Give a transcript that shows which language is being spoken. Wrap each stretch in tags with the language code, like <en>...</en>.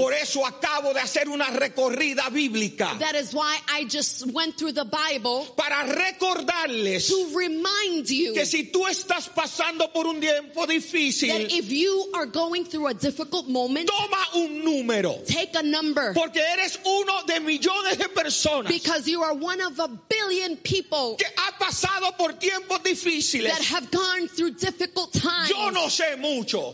<es>Por eso acabo de hacer una recorrida bíblica,</es> <en>that is why I just went through the Bible,</en> <es>para recordarles,</es> <en>to remind you,</en> <es>que si tú estás pasando por un tiempo difícil,</es> <en>that if you are going through a difficult moment,</en> <es>toma un número,</es> <en>take a number,</en> <es>porque eres uno de millones de personas,</es> <en>because you are one of a billion people,</en> <es>que ha pasado por tiempos difíciles,</es> <en>that have gone through difficult times.</en> <es>Yo no sé mucho,</es>